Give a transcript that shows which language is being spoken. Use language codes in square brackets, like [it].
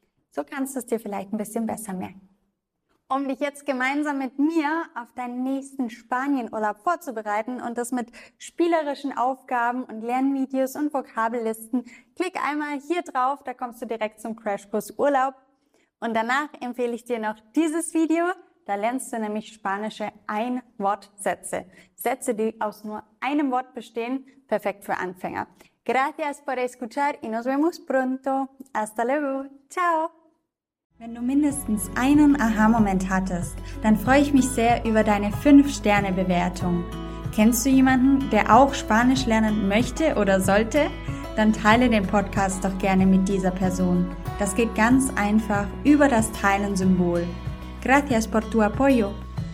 [de] So kannst du es dir vielleicht ein bisschen besser merken. Um dich jetzt gemeinsam mit mir auf deinen nächsten Spanienurlaub vorzubereiten und das mit spielerischen Aufgaben und Lernvideos und Vokabellisten, klick einmal hier drauf, da kommst du direkt zum Crashkurs Urlaub. Und danach empfehle ich dir noch dieses Video, da lernst du nämlich spanische Ein-Wort-Sätze. Sätze, die aus nur einem Wort bestehen, perfekt für Anfänger. [es] Gracias por escuchar y nos vemos pronto. Hasta luego. Ciao. [de] Wenn du mindestens einen Aha-Moment hattest, dann freue ich mich sehr über deine 5-Sterne-Bewertung. Kennst du jemanden, der auch Spanisch lernen möchte oder sollte? Dann teile den Podcast doch gerne mit dieser Person. Das geht ganz einfach über das Teilen-Symbol. [es] Gracias por tu apoyo.